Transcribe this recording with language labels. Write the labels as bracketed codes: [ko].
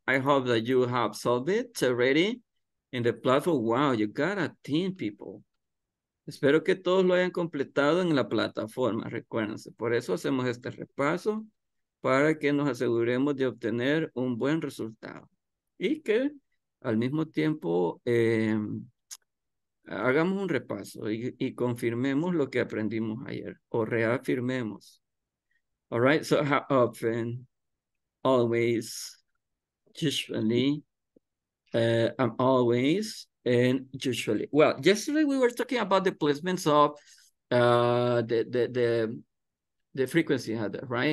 [en] I hope that you have solved it already in the platform. Wow, you got a team, people. [es] Espero que todos lo hayan completado en la plataforma, recuérdense. Por eso hacemos este repaso, para que nos aseguremos de obtener un buen resultado. Y que al mismo tiempo hagamos un repaso y confirmemos lo que aprendimos ayer, o reafirmemos. [en] All right, so how often, always, usually, I'm always, and usually. Well, yesterday we were talking about the placements of the frequency header, right?